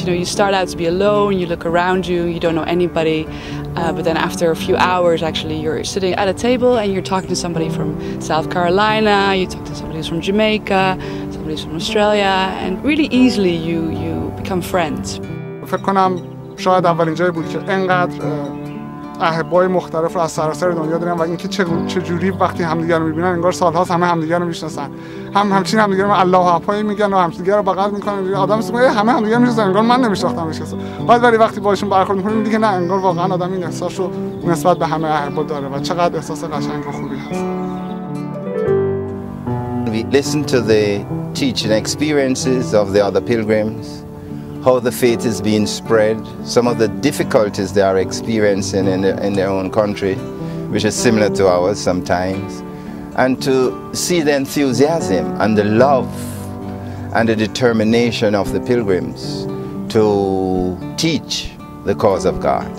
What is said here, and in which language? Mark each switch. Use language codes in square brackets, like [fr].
[en] You know, you start out to be alone, you look around you, you don't know anybody, but then after a few hours actually you're sitting at a table and you're talking to somebody from South Carolina, you talk to somebody who's from Jamaica, somebody's from Australia, and really easily you become friends. [fa] فکر کنم شاید اولین جایی بود که انقدر احبای مختلف از سراسر دنیا داریم و اینکه چه جوری وقتی همدیگر رو میبینن انگار سالهاست همه همدیگر رو میشناسن. همچین همدیگر رو الله حفای میگن و همدیگر رو بغل میکنن. آدم میگه همه همدیگر رو میشناسن انگار من نمیشناختم هیچ کسو. بعد ولی وقتی باهاشون برخورد میکنیم دیگه نه انگار واقعا آدم این احساس رو نسبت به همه احبا داره و چقدر احساس قشنگ و خوبی هست. [en] We listen to the teaching experiences of the other pilgrims, how the faith is being spread, some of the difficulties they are experiencing in their own country, which is similar to ours sometimes, and to see the enthusiasm and the love and the determination of the pilgrims to teach the cause of God.